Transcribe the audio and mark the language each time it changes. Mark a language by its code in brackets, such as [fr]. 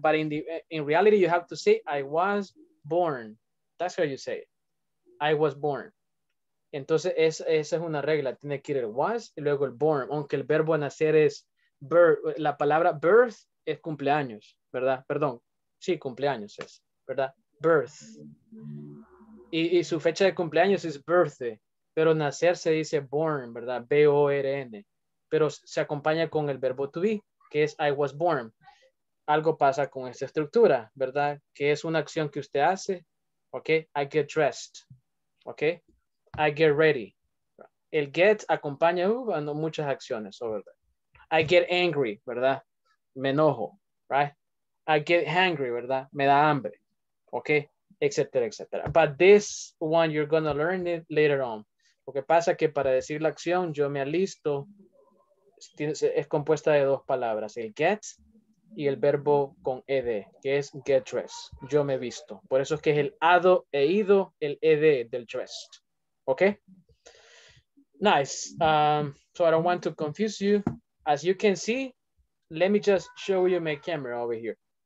[en] But in reality, you have to say I was born. That's how you say it. I was born. [es] Entonces esa es una regla. Tiene que ir el was y luego el born. Aunque el verbo nacer es birth, la palabra birth es cumpleaños, ¿verdad? Perdón. Sí, cumpleaños es, ¿verdad? birth. Y su fecha de cumpleaños es birthday, pero nacer se dice born, ¿verdad? B-O-R-N. Pero se acompaña con el verbo to be, que es I was born. Algo pasa con esta estructura, ¿verdad? Que es una acción que usted hace, ¿ok? [en] I get dressed, ¿ok? I get ready. [es] El get acompaña muchas acciones, ¿verdad? [en] I get angry, [es] ¿verdad? Me enojo, right? [en] I get hangry, [es] ¿verdad? Me da hambre, ¿ok? Etcétera, etcétera. [en] But this one, you're going to learn it later on. [es] Lo que pasa es que para decir la acción, yo me alisto, es compuesta de dos palabras, el get y el verbo con ed, que es get dressed, yo me visto. Por eso es que es el ado e ido, el ed del dressed. [en] ¿Ok? Nice. So I don't want to confuse you. As you can see, let me just show you my camera over here.